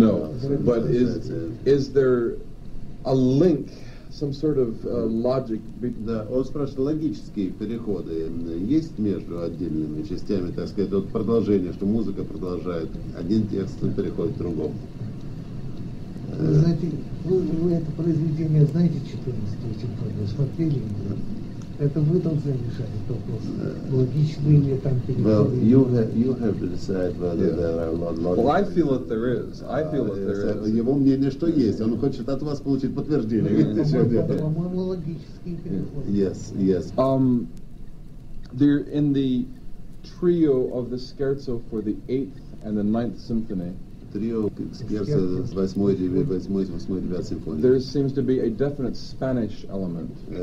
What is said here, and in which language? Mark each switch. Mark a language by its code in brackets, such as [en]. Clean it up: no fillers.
[en] Is there a link, some sort of logic? [ru] Да, он спрашивает логические переходы. Есть между отдельными частями, так сказать, вот продолжение, что музыка продолжает один текст и переходит к другому. Вы знаете, вы это произведение знаете 14-й симфонию, смотрели? Это вы должны решать этот вопрос. Логичные ли там переходы? [en] Well, you have to decide whether there are logical. Well, I feel that there is. I feel that there is. [ru] Его мнение, что есть. Он хочет от вас получить подтверждение. По-моему, логические переходы. [en] Yes, yes. There in the trio of the scherzo for the 8th and the 9th symphony. [ru] Трио скерцо с 8-й, 9-й симфонии. [en] There seems to be a definite Spanish element.